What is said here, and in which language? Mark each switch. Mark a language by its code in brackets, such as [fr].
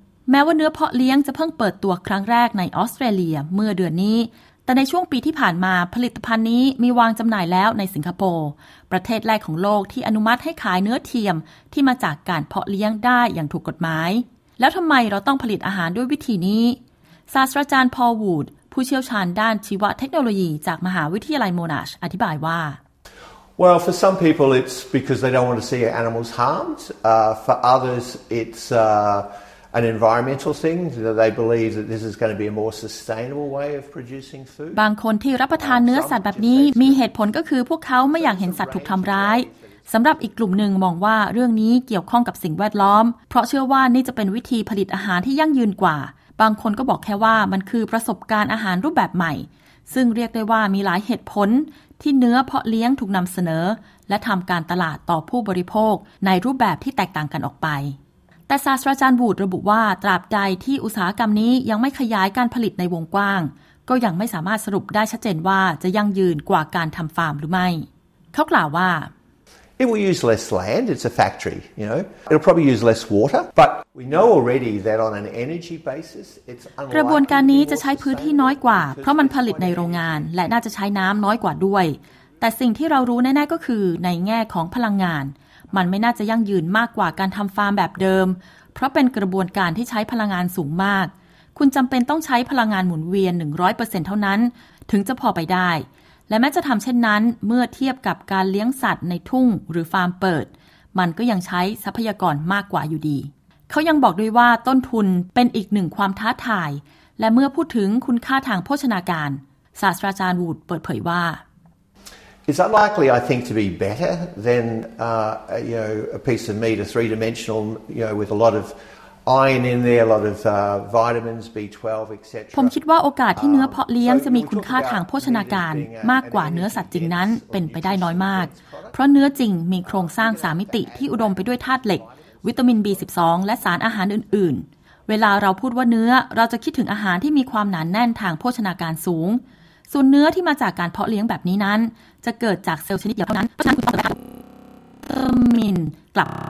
[th] แม้ว่าเนื้อเพาะเลี้ยงจะเพิ่งเปิดตัวครั้งแรกในออสเตรเลียเมื่อเดือนนี้แต่ในช่วงปีที่ผ่านมาผลิตภัณฑ์นี้มีวางจำหน่ายแล้วในสิงคโปร์ประเทศแรกของโลกที่อนุมัติให้ขายเนื้อเทียมที่มาจากการเพาะเลี้ยงได้อย่างถูกกฎหมายแล้วทำไมเราต้องผลิตอาหารด้วยวิธีนี้ศาสตราจารย์พอลวูดผู้เชี่ยวชาญด้านชีวเทคโนโลยีจากมหาวิทยาลัยโมนาชอธิบายว่า [en] Well for some people it's because they don't want to see animals harmed for others it's an environmental thing that they believe that this is going to be a more sustainable way of producing food [th] บางคนที่รับประทานเนื้อสัตว์แบบนี้มีเหตุผลก็คือพวกเขาไม่อยากเห็นสัตว์ถูกทำร้ายสำหรับอีกกลุ่มหนึ่งมองว่าเรื่องนี้เกี่ยวข้องกับสิ่งแวดล้อมเพราะเชื่อว่านี่จะเป็นวิธีผลิตอาหารที่ยั่งยืนกว่าบางคนก็บอกแค่ว่ามันคือประสบการณ์อาหารรูปแบบใหม่ซึ่งเรียกได้ว่ามีหลายเหตุผลที่เนื้อเพาะเลี้ยงถูกนำเสนอและทำการตลาดต่อผู้บริโภคในรูปแบบที่แตกต่างกันออกไป แต่ศาสตราจารย์บูดระบุว่าตราบใดที่อุตสาหกรรมนี้ยังไม่ขยายการผลิตในวงกว้างก็ยังไม่สามารถสรุปได้ชัดเจนว่าจะยั่งยืนกว่าการทำฟาร์มหรือไม่เขากล่าวว่า [en] It will use less land. It's a factory, you know. It'll probably use less water. But we know already that on an energy basis, it's unlikely. [th] กระบวนการนี้จะใช้พื้นที่น้อยกว่าเพราะมันผลิตในโรงงานและน่าจะใช้น้ำน้อยกว่าด้วยแต่สิ่งที่เรารู้แน่ๆก็คือในแง่ของพลังงานมันไม่น่าจะยั่งยืนมากกว่าการทำฟาร์มแบบเดิมเพราะเป็นกระบวนการที่ใช้พลังงานสูงมากคุณจำเป็นต้องใช้พลังงานหมุนเวียน 100% เท่านั้นถึงจะพอไปได้และแม้จะทำเช่นนั้นเมื่อเทียบกับการเลี้ยงสัตว์ในทุ่งหรือฟาร์มเปิดมันก็ยังใช้ทรัพยากรมากกว่าอยู่ดี เขายังบอกด้วยว่าต้นทุนเป็นอีกหนึ่งความท้าทายและเมื่อพูดถึงคุณค่าทางโภชนาการศาสตราจารย์วูดเปิดเผยว่า [en] It's unlikely I think to be better than you know a piece of meat a three dimensional you know with a lot ofiron in there a lot of vitamins B12 etc [th] ผมคิดว่าโอกาสที่เนื้อเพาะเลี้ยงจะมีคุณค่าทางโภชนาการมากกว่าเนื้อสัตว์จริงนั้นเป็นไปได้น้อยมากเพราะเนื้อจริงมีโครงสร้าง3มิติที่อุดมไปด้วยธาตุเหล็กวิตามิน B12 และสารอาหารอื่นๆเวลาเราพูดว่าเนื้อเราจะคิดถึงอาหารที่มีความหนาแน่นทางโภชนาการสูงส่วนเนื้อที่มาจากการเพาะเลี้ยงแบบนี้นั้นจะเกิดจากเซลล์ชนิดเดียวเท่านั้นเพราะฉะนั้นคุณต้องเติมมินกลับ